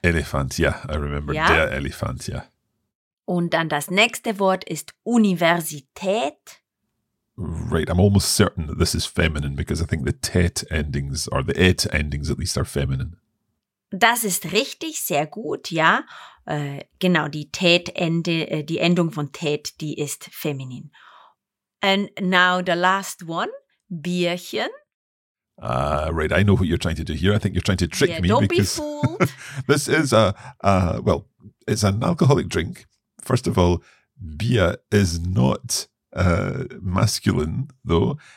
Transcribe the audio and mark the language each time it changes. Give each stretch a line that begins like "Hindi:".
German: Elefant, ja,
English: yeah, I remember,
German: ja. Der Elefant, ja. Yeah. Und dann das nächste Wort ist Universität.
English: Right, I'm almost certain that this is feminine because I think the tät endings or the et endings at least are feminine.
German: Das ist richtig, sehr gut, ja. Genau, die die Endung von tät, die ist feminin.
English: And now the last one, Bierchen. Right, I know what you're trying to do here. I think you're trying to trick me. Don't because be fooled. This is it's an alcoholic drink. First of all, Bier is not masculine, though.